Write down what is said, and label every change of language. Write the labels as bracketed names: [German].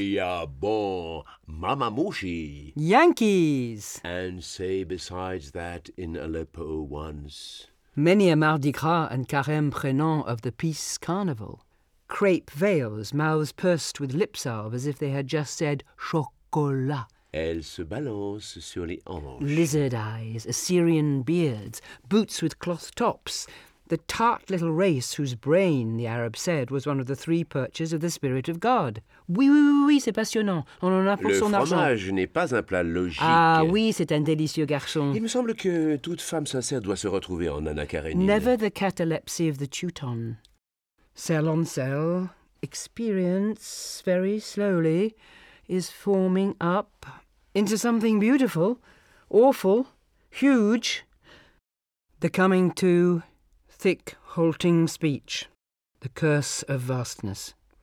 [French] Yeah, bon, mamamouchi. [English] Yankees! And say besides that in Aleppo once. Many a Mardi Gras and Carême prenant of the Peace Carnival. Crepe veils, mouths pursed with lip salve as if they had just said chocolat. [French] Elle se balance sur les hanches. [English] Lizard eyes, Assyrian beards, boots with cloth tops. The tart little race whose brain, the Arab said, was one of the three perches of the spirit of God. [French] Oui, oui, oui, oui, c'est passionnant. On en a pour le son argent. Le fromage n'est pas un plat logique. Ah oui, c'est un délicieux garçon. Il me semble que toute femme sincère doit se retrouver en Anna Karenine. [English] Never the catalepsy of the Teuton. Cell on cell, experience, very slowly, is forming up into something beautiful, awful, huge. The coming to, thick, halting speech, the curse of vastness.